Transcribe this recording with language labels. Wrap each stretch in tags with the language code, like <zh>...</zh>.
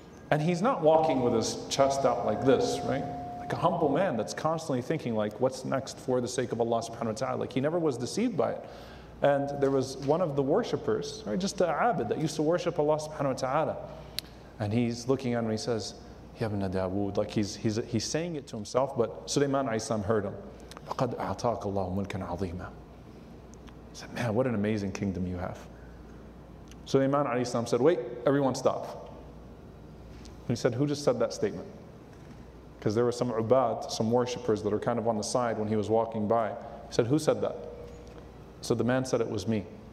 <en>And he's not walking with his chest out like this, right? Like a humble man that's constantly thinking like, what's next for the sake of Allah subhanahu wa ta'ala? Like he never was deceived by it. And there was one of the worshippers, right, just an abid that used to worship Allah subhanahu wa ta'ala. And he's looking at him and he says, Ibn Dawood, like he's saying it to himself, but Sulaiman Aysam heard him.</en> <ar>فَقَدْ أَعْطَاكَ اللَّهُ مُلْكًا عَظِيمًا.</ar> <en>He said, man, what an amazing kingdom you have. Sulaiman Aysam said, wait, everyone stop. And he said, who just said that statement? Because there were some ubad, some worshippers that are kind of on the side when he was walking by. He said, who said that? So the man said, it was me.</en>